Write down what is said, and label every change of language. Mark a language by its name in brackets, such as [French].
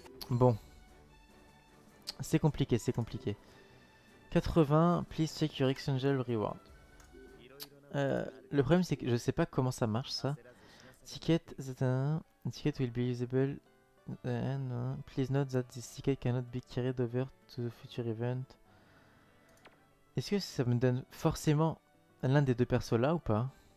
[French] Bon. C'est compliqué, c'est compliqué. 80, [English] please check your Exchange Reward. [French] Le problème, c'est que je sais pas comment ça marche, ça. [English] Ticket, ticket will be usable. Please note that this ticket cannot be carried over to the future event. [French] Est-ce que ça me donne forcément l'un des deux persos là ou pas?